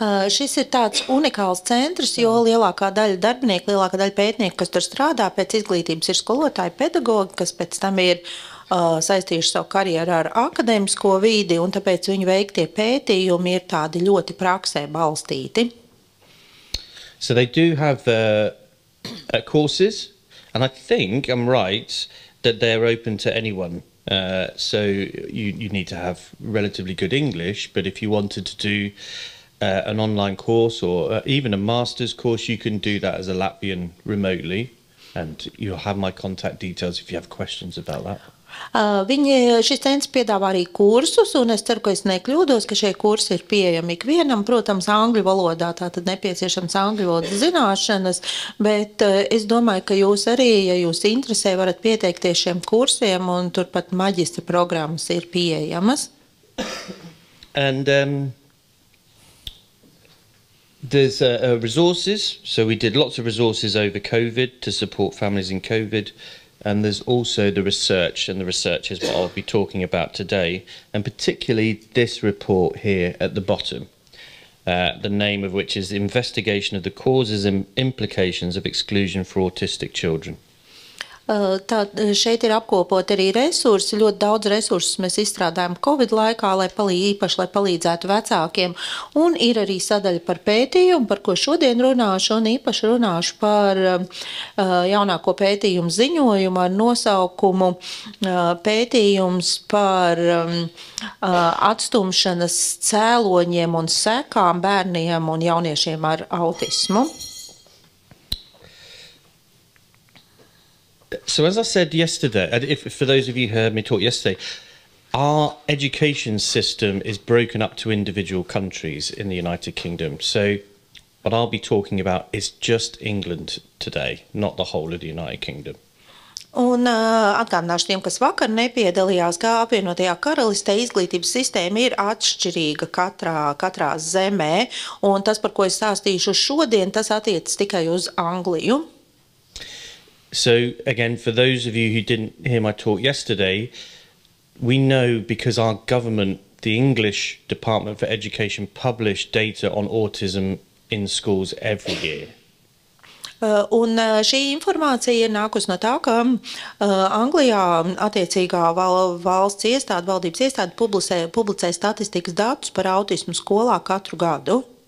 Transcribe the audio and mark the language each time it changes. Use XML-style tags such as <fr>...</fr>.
<lv>Šis ir tāds unikāls centrs, jo lielākā daļa darbinieku, lielākā daļa pētnieku, kas tur strādā pēc izglītības, ir skolotāji, pedagogi, kas pēc tam ir saistījuši savu karjeru ar akadēmisko vidi, un tāpēc viņu veiktie pētījumi ir tādi ļoti praksē balstīti.</lv> <en>So they do have courses, and I think I'm right that they're open to anyone. So you need to have relatively good English, but if you wanted to do an online course or even a master's course, you can do that as a Latvian remotely, and you'll have my contact details if you have questions about that.</en> <lv>Šis centrs piedāvā arī kursus, un es ceru, ka es nekļūdos, ka šie kursi ir pieejami ikvienam, protams, angļu valodā, tātad nepieciešams angļu valodas zināšanas, bet es domāju, ka jūs arī, ja jūs interesē, varat pieteikties šiem kursiem, un turpat maģistra programmas ir pieejamas.</lv> <en>And there's resources, so we did lots of resources over COVID to support families in COVID, and there's also the research, and the research is what I'll be talking about today, and particularly this report here at the bottom, the name of which is Investigation of the Causes and Implications of Exclusion for Autistic Children.</en> <lv>Šeit ir apkopot arī resursi, ļoti daudz resursu mēs izstrādājam Covid laikā, lai palīdzētu vecākiem, un ir arī sadaļa par pētījumu, par ko šodien runāšu, un īpaši runāšu par jaunāko pētījumu ziņojumu ar nosaukumu pētījums par atstumšanas cēloņiem un sekām bērniem un jauniešiem ar autismu.</lv> <en>So as I said yesterday, if for those of you who heard me talk yesterday, Our education system is broken up to individual countries in the United Kingdom. So what I'll be talking about is just England today, not the whole of the United Kingdom.</en> <lv>Un atgādināšu tiem, kas vakar nepiedalījās, kā apvienotajā karalistē izglītības sistēma ir atšķirīga katrā zemē. Un tas, par ko es stāstīšu šodien, tas attiecas tikai uz Angliju.</lv> <en>So, again, for those of you who didn't hear my talk yesterday, we know because our government, the English Department for Education, published data on autism in schools every year.</en> <lv>Un šī informācija ir nākusi no tā, ka Anglijā attiecīgā valsts iestāde, valdības iestāde publicē statistikas datus par autismu skolā katru gadu.</lv>